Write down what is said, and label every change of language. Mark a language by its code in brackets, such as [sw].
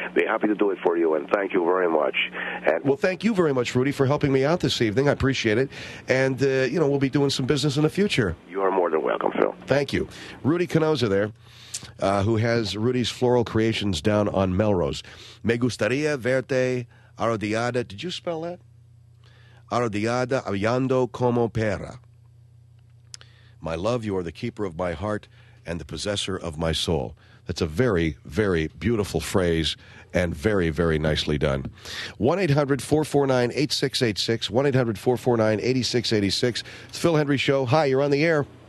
[en] Be happy to do it for you, and thank you very much. And well, thank you very much, Rudy, for helping me out this evening. I appreciate it. And, you know, we'll be doing some business in the future. You are more than welcome, Phil. Thank you. Rudy Canoza there, who has Rudy's Floral Creations down on Melrose. [es] Me gustaría verte arrodillada. [en] Did you spell that? [es] Arrodillada hablando como perra. [en] My love, you are the keeper of my heart and the possessor of my soul. That's a very, very beautiful phrase and very, very nicely done. 1-800-449-8686. 1-800-449-8686. It's Phil Henry Show. Hi, you're on the air.